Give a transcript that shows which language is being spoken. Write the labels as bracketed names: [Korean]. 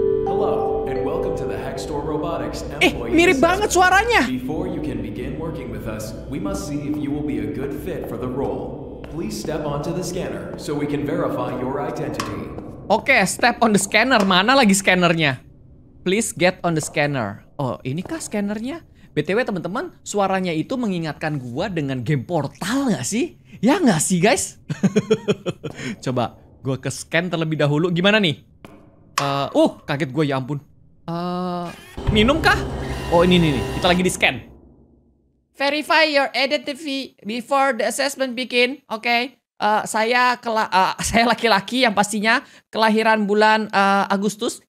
[English] Hello and welcome to the Hexstore Robotics. [Indonesian] Mirip banget suaranya. [English] Before you can begin working with us, we must see if you will be a good fit for the role. Please step onto the scanner so we can verify your identity. Oke, step on the scanner. [Indonesian] Mana lagi scannernya? [English] Please get on the scanner. [Indonesian] Oh, inikah scannernya? BTW teman-teman, suaranya itu mengingatkan gua dengan game Portal nggak sih? Ya nggak sih, guys? Coba gua ke scan terlebih dahulu. Gimana nih? Kaget gua, ya ampun. Minum kah? Oh, ini nih. Kita lagi di scan. [English] Verify your identity before the assessment begin. Oke. [Indonesian] Saya laki-laki yang pastinya kelahiran bulan Agustus.